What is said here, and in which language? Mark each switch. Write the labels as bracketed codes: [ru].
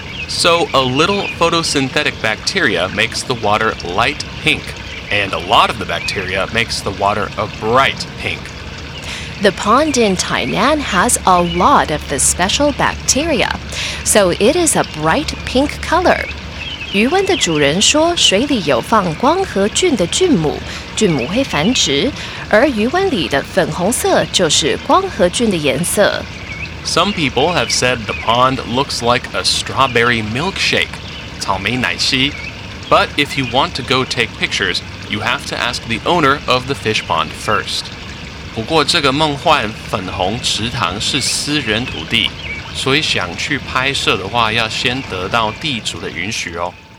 [en] So a little photosynthetic bacteria makes the water light pink, and a lot of the bacteria makes the water a bright pink. The pond in Tainan has a lot of the special bacteria, so it is a bright pink color. [zh] 魚塞的主人說水裡有放光合菌的菌母，菌母會繁殖，而魚塞裡的粉紅色就是光合菌的顏色。 [en] Some people have said the pond looks like a strawberry milkshake, 草莓奶昔. But if you want to go take pictures, you have to ask the owner of the fish pond first. [zh] 不過這個夢幻粉紅池塘是私人土地，所以想去拍攝的話要先得到地主的允許喔。